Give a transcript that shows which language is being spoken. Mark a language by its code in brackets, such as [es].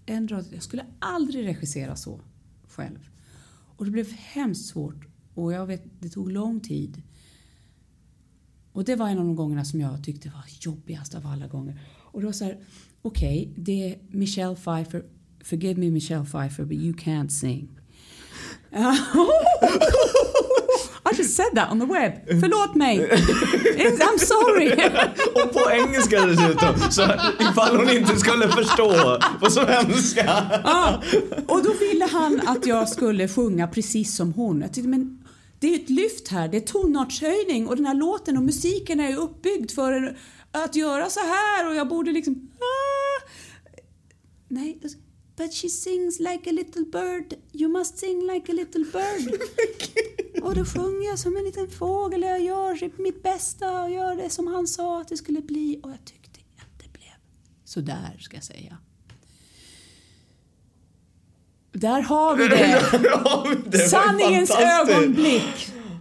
[sv] Jag skulle aldrig regissera så själv. Och det blev hemskt svårt. Och jag vet, det tog lång tid. Och det var en av de gångerna som jag tyckte var jobbigast av alla gånger. Och det var så här, okej, det är Michelle Pfeiffer. [en] Forgive me Michelle Pfeiffer, but you can't sing. I just said that on the web. [sv] Förlåt mig. I'm sorry. Och på engelska dessutom. Så ifall hon inte skulle förstå på svenska. Och då ville han att jag skulle sjunga precis som hon. Jag tyckte, men det är ett lyft här. Det är tonartshöjning. Och den här låten och musiken är uppbyggd för att göra så här. Och jag borde liksom... Nej, det ska... [en] But she sings like a little bird. You must sing like a little bird. [sv] Och då sjunger jag som en liten fågel. Jag gör mitt bästa och gör det som han sa att det skulle bli. Och jag tyckte att det blev så där, ska jag säga. Där har vi det. Sanningens ögonblick.